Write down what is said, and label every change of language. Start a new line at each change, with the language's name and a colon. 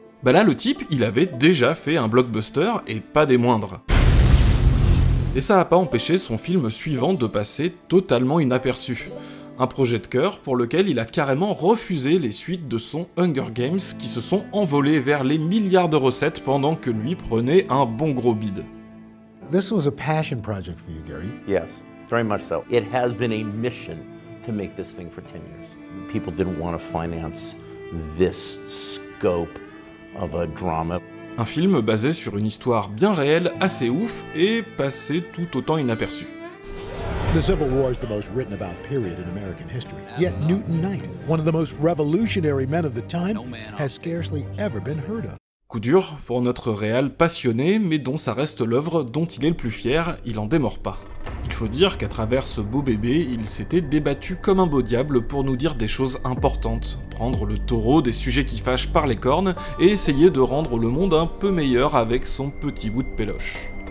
French: Bah là, le type, il avait déjà fait un blockbuster, et pas des moindres. Et ça a pas empêché son film suivant de passer totalement inaperçu. Un projet de cœur pour lequel il a carrément refusé les suites de son Hunger Games qui se sont envolées vers les milliards de recettes pendant que lui prenait un bon gros bide.
English: This was a passion project for you, Gary. Yes, very much so. It has been a mission to make this thing for 10 years. People didn't want to finance this scope of a drama.
French: Un film basé sur une histoire bien réelle, assez ouf, et passé tout autant inaperçu.
English: The Civil War is the most written about period in American history. Yet Newton Knight, one of the most revolutionary men of the time, has scarcely ever been heard of.
French: Coup dur pour notre réal passionné, mais dont ça reste l'œuvre dont il est le plus fier, il en démord pas. Il faut dire qu'à travers ce beau bébé, il s'était débattu comme un beau diable pour nous dire des choses importantes, prendre le taureau des sujets qui fâchent par les cornes, et essayer de rendre le monde un peu meilleur avec son petit bout de péloche.